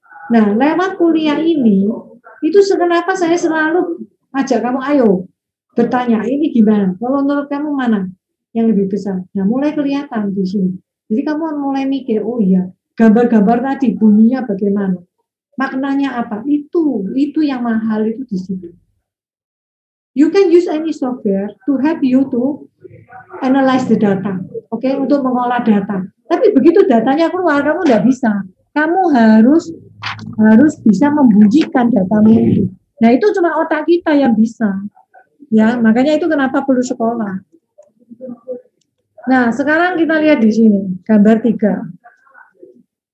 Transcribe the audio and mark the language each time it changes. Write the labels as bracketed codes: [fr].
[id] Nah, lewat kuliah ini, itu kenapa saya selalu ajak kamu, ayo bertanya, ini gimana? Kalau menurut kamu mana yang lebih besar? Nah, mulai kelihatan di sini. Jadi kamu mulai mikir, oh iya, gambar-gambar tadi bunyinya bagaimana? Maknanya apa? Itu yang mahal itu di sini. [en] You can use any software to help you to analyze the data, oke? [id] Okay? Untuk mengolah data. Tapi begitu datanya keluar, kamu nggak bisa. Kamu harus bisa membunyikan datamu. Nah itu cuma otak kita yang bisa, ya. Makanya itu kenapa perlu sekolah. Nah sekarang kita lihat di sini gambar 3.